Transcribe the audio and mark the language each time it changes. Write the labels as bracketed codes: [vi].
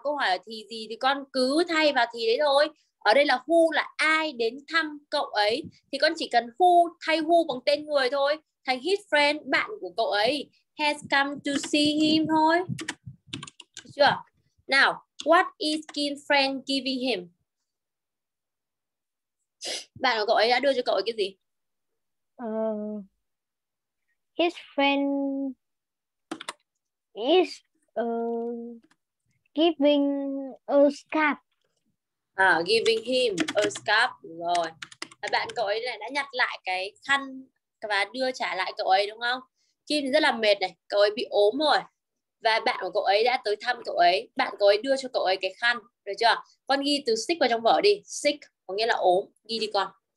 [vi] Câu hỏi là thì gì thì con cứ thay vào thì đấy thôi. Ở đây là who là ai đến thăm cậu ấy. Thì con chỉ cần who thay who bằng tên người thôi. Thành [en] his friend, [vi] bạn của cậu ấy. [en] Has come to see him [vi] thôi. Được chưa? [en] Now, what is Kim's friend giving him? [vi] Bạn của cậu ấy đã đưa cho cậu ấy cái gì? [en] His friend is giving a scarf. Giving him a scarf. [vi] Rồi. Bạn cậu ấy đã nhặt lại cái khăn và đưa trả lại cậu ấy đúng không? Kim rất là mệt này. Cậu ấy bị ốm rồi. Và bạn của cậu ấy đã tới thăm cậu ấy. Bạn cậu ấy đưa cho cậu ấy cái khăn. Được chưa? Con ghi từ sick vào trong vở đi. Sick có nghĩa là ốm. Ghi đi con.